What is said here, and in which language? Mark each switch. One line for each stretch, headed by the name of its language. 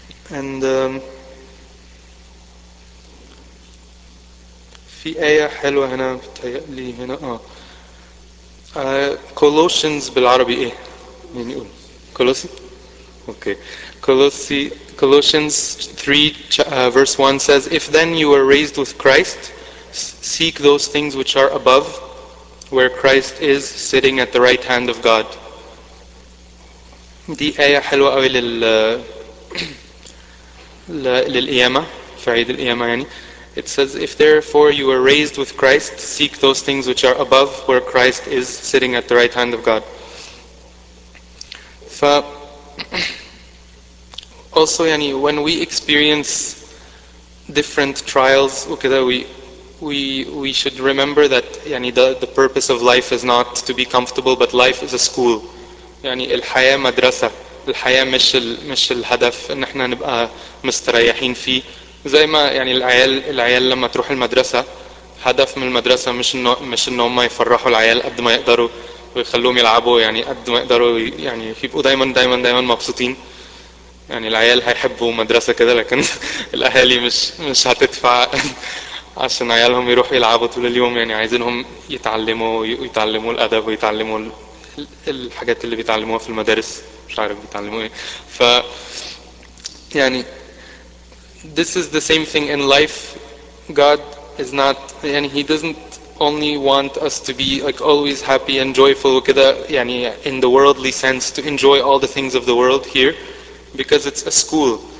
Arabic: And في آية حلوة هنا بتهيأ لي هنا كولوسيانز بالعربي ايه؟ مين يقول؟ كولوسي؟ اوكي.
English: Colossians 3 verse 1 says, "If then you were raised with Christ, seek those things which are above, where Christ is sitting at the right hand of God."
Arabic: دي آية حلوة قوي للقيامة في عيد القيامة
English: It says, "If therefore you were raised with Christ, seek those things which are above, where Christ is sitting at the right hand of God." Also, when we experience different trials, we should remember that the purpose of life is not to be comfortable, but life is a school.
Arabic: الحياة مدرسة. الحياة مش الهدف إن إحنا نبقى مستريحين فيه. زي ما العيال لما تروح المدرسة هدف من المدرسة مش إن هم يفرحوا العيال قد ما يقدروا ويخلوهم يلعبوا قد ما يقدروا يبقوا دايما دايما دايما مبسوطين. العيال هيحبوا مدرسة كده, لكن الأهالي مش هتدفع عشان عيالهم يروحوا يلعبوا طول اليوم. عايزينهم يتعلموا ويتعلموا الأدب ويتعلموا الحاجات اللي بيتعلموها في المدارس, مش عارف بيتعلموا ايه. ف
English: this is the same thing in life. God is not, He doesn't only want us to be always happy and joyful in the worldly sense, to enjoy all the things of the world here, because it's a school.